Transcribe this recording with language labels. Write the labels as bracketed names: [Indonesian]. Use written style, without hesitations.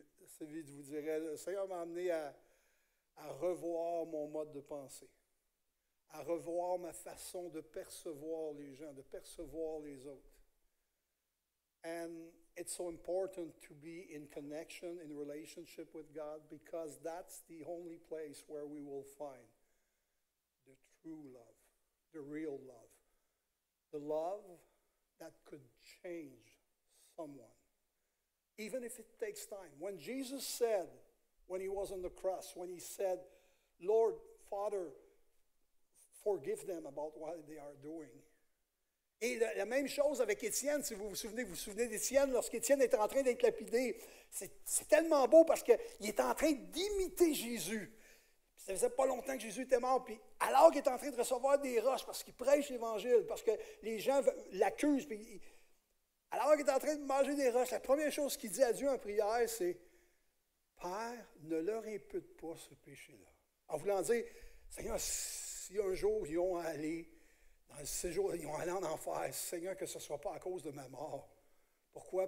[French] C'est vite, je vous dirais, le Seigneur m'a amené à revoir mon mode de pensée, à revoir ma façon de percevoir les gens, de percevoir les autres. [English] And it's so important to be in connection, in relationship with God, because that's the only place where we will find the true love, the real love, the love that could change someone. Even if it takes time. When Jesus said, when he was on the cross, when he said, Lord, Father, forgive them about what they are doing. [French] Et la même chose avec Étienne, si vous vous souvenez d'Étienne, lorsqu'Étienne était en train d'être lapidé, c'est tellement beau parce qu'il est en train d'imiter Jésus. Ça faisait pas longtemps que Jésus était mort, puis alors qu'il est en train de recevoir des roches parce qu'il prêche l'Évangile, parce que les gens l'accusent, puis alors qu'il est en train de manger des roches, la première chose qu'il dit à Dieu en prière, c'est « Père, ne leur impute pas ce péché-là. » En voulant dire, « Seigneur, si un jour ils ont à aller dans le séjour, ils ont à aller en enfer, Seigneur, que ce ne soit pas à cause de ma mort. Pourquoi?